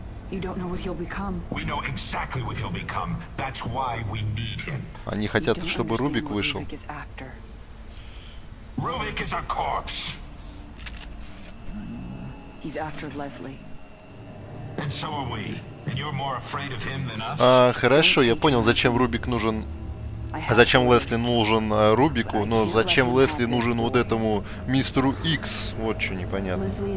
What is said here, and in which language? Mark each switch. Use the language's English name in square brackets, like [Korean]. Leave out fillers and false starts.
[English] You don't know what he'll become. We know exactly what he'll become. That's why we need him. [Russian] Они хотят, чтобы Рубик вышел. [English] Рубик is a corpse. He's after Leslie. And so are we. And you're more afraid of him than us. [Russian] А, хорошо, я понял, зачем Рубик нужен. Зачем Лесли нужен Рубику, но зачем Лесли нужен вот этому мистеру Икс? Вот что непонятно.